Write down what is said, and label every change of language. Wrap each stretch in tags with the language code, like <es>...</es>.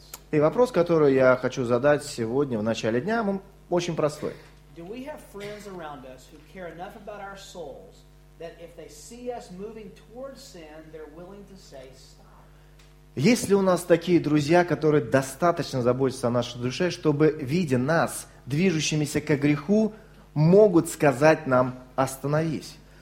<ru>И вопрос, который я хочу задать сегодня в начале дня, он очень простой.</ru> <en>Do we have friends around us who care enough about our souls that if they see us moving towards sin, they're willing to say stop?</en> <ru>Есть ли у нас такие друзья, которые достаточно заботятся о нашей душе, чтобы, видя нас, движущимися ко греху, могут сказать нам остановись?</ru>